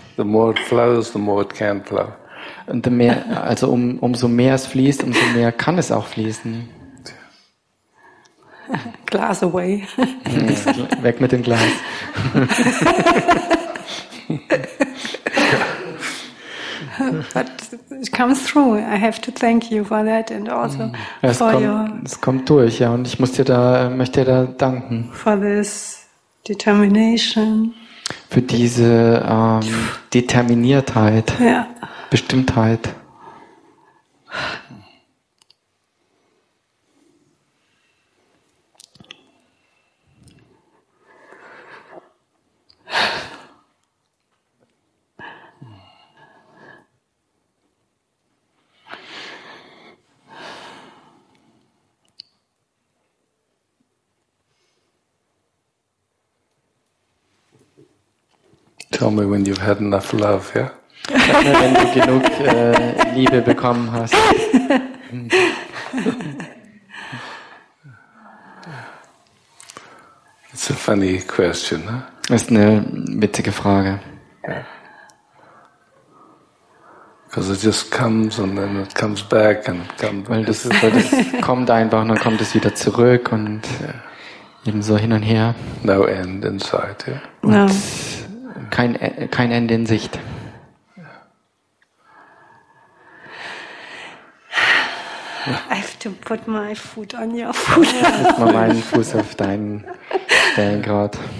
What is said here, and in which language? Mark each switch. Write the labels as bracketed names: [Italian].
[English] The more it flows, the more it can flow. [German] Und mehr, also umso mehr es fließt, umso mehr kann es auch fließen. [English] Glass away. [German] Weg mit dem Glas. [English] But it comes through. I have to thank you for that and also [German] Es kommt durch, ja, und ich möchte dir da danken. [English] For this determination. [German] Für diese Determiniertheit, ja. Bestimmtheit. [English] Tell me when you've had enough love, yeah? [German] Wenn du genug Liebe bekommen hast. [English] It's a funny question, huh? [German] Das ist eine witzige Frage. [English] Because it just comes and then it comes back and it comes back. [German] Weil das kommt einfach und dann kommt es wieder zurück und eben so hin und her. [English] No end in sight, yeah? No. [German] Kein Ende in Sicht. [English] I have to put my foot on your foot. [German] Ich muss mal meinen Fuß auf deinen stellen gerade.